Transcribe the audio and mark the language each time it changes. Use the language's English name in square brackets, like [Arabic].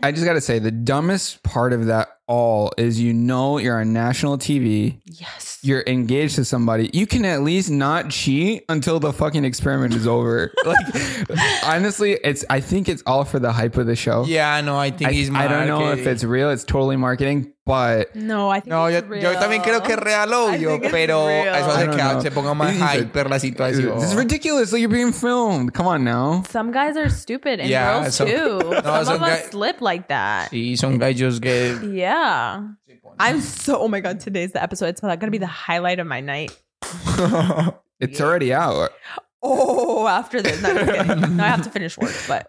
[English] I just got to say, the dumbest part of that all is, you know, you're on national TV. Yes. You're engaged to somebody. You can at least not cheat until the fucking experiment is over. Like, honestly, I think it's all for the hype of the show. Yeah, no, I think he's marketing. I don't know if it's real. It's totally marketing. But no, I think [Spanish] yo también creo que es real, obvio, pero eso hace que se ponga más hype la situación. [English] This is ridiculous. Like, you're being filmed. Come on now. Some guys are stupid and yeah, girls too. No, some of us slip like that. [Spanish] Sí, son gallos que... [English] Yeah. I'm so... Oh my God, today's the episode. It's going to be the highlight of my night. It's already out. Oh, after this. No, I have to finish work, but...